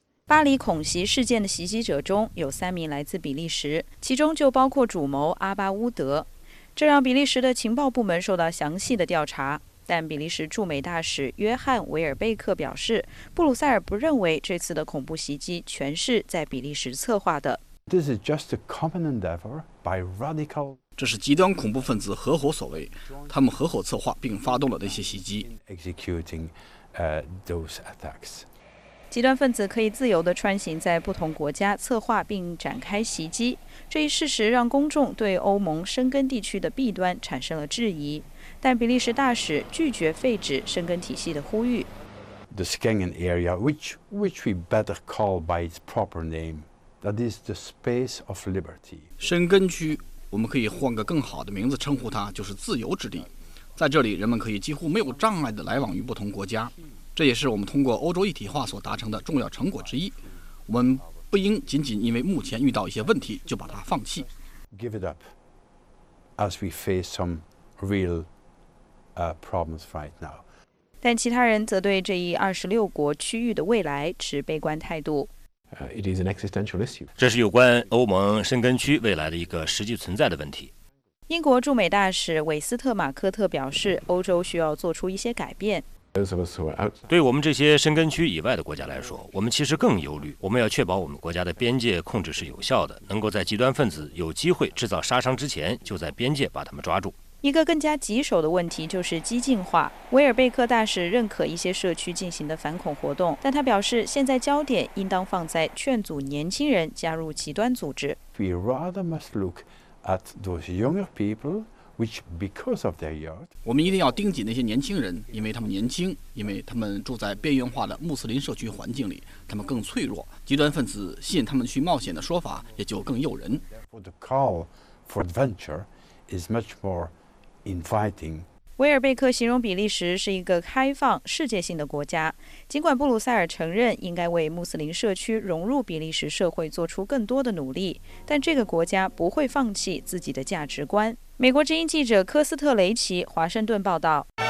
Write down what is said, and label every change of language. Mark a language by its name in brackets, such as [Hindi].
[Chinese] 巴黎恐袭事件的袭击者中有3名来自比利时，其中就包括主谋阿巴乌德，这让比利时的情报部门受到详细的调查。但比利时驻美大使约翰·维尔贝克表示，布鲁塞尔不认为这次的恐怖袭击全是在比利时策划的。 [English] This is just a common endeavor by radical. [Chinese] 这是极端恐怖分子合伙所为，他们合伙策划并发动了那些袭击。 [English] Executing those attacks. [Chinese] 极端分子可以自由地穿行在不同国家，策划并展开袭击。这一事实让公众对欧盟申根地区的弊端产生了质疑，但比利时大使拒绝废止申根体系的呼吁。 [English] The Schengen area, which we better call by its proper name, that is the space of liberty. [Chinese] 申根区，我们可以换个更好的名字称呼它，就是自由之地。在这里，人们可以几乎没有障碍地来往于不同国家，这也是我们通过欧洲一体化所达成的重要成果之一。我们不应仅仅因为目前遇到一些问题就把它放弃。 [English] Give it up, as we face some real problems right now. [Chinese] 但其他人则对这一26国区域的未来持悲观态度。 [English] It is an existential issue. [Chinese] 这是有关欧盟申根区未来的一个实际存在的问题。英国驻美大使韦斯特马科特表示，欧洲需要做出一些改变。对我们这些申根区以外的国家来说，我们其实更忧虑。我们要确保我们国家的边界控制是有效的，能够在极端分子有机会制造杀伤之前，就在边界把他们抓住。一个更加棘手的问题就是激进化。威尔贝克大使认可一些社区进行的反恐活动，但他表示，现在焦点应当放在劝阻年轻人加入极端组织。 [English] We rather must look. At those younger people, which because of their youth, [Chinese] 我们一定要盯紧那些年轻人，因为他们年轻，因为他们住在边缘化的穆斯林社区环境里，他们更脆弱。极端分子吸引他们去冒险的说法也就更诱人。 [English] The call for adventure is much more inviting. [Chinese] 威尔贝克形容比利时是一个开放、世界性的国家。尽管布鲁塞尔承认应该为穆斯林社区融入比利时社会做出更多的努力，但这个国家不会放弃自己的价值观。美国之音记者科斯特雷奇华盛顿报道。